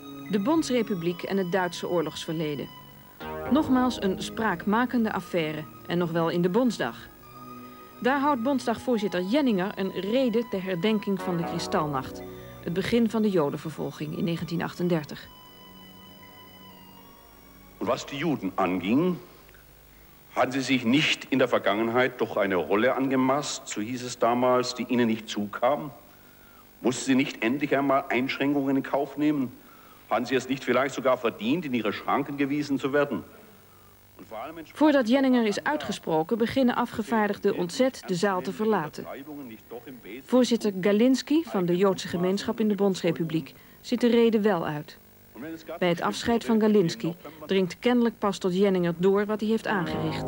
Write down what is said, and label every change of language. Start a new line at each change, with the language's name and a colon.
Dutch: De Bondsrepubliek en het Duitse oorlogsverleden. Nogmaals een spraakmakende affaire en nog wel in de Bondsdag. Daar houdt Bondsdagvoorzitter Jenninger een rede ter herdenking van de Kristallnacht. Het begin van de Jodenvervolging in 1938. Wat de Joden anging...
German: Hadden sie sich nicht in der Vergangenheit doch eine Rolle angemaßt, so hieß es damals, die ihnen nicht zukam? Mussten sie nicht endlich einmal Einschränkungen in Kauf nehmen?
Dutch: Hadden ze het niet
German: vielleicht sogar
Dutch: verdiend
German: in ihre Schranken gewiesen zu werden?
Dutch: Voordat Jenninger is uitgesproken, beginnen afgevaardigden ontzet de zaal te verlaten. Voorzitter Galinski van de Joodse gemeenschap in de Bondsrepubliek zit de rede wel uit. Bij het afscheid van Galinski dringt kennelijk pas tot Jenninger door wat hij heeft aangericht.